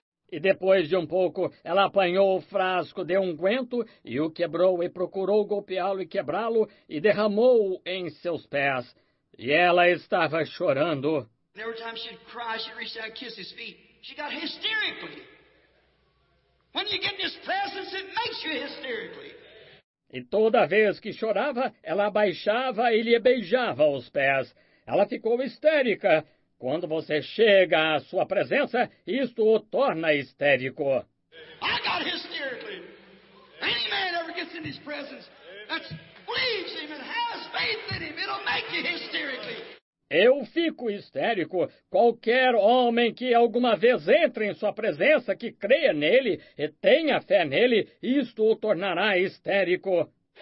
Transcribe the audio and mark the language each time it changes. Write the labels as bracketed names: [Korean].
[Portuguese] E depois de um pouco, ela apanhou o frasco de unguento e o quebrou e procurou golpeá-lo e quebrá-lo e derramou-o em seus pés. E ela estava chorando. [English] And every time she'd cry, she'd reach out and kiss his feet. She got hysterically. When you get this presence, it makes you hysterically. [Portuguese] E toda vez que chorava, ela abaixava e lhe beijava os pés. Ela ficou histérica. Quando você chega à sua presença, isto o torna histérico. [English] I got hysterically. Any man ever gets in his presence that believes him and has faith in him, it'll make you hysterically. [Portuguese] Eu fico histérico. Qualquer homem que alguma vez entre em sua presença, que creia nele e tenha fé nele, isto o tornará histérico.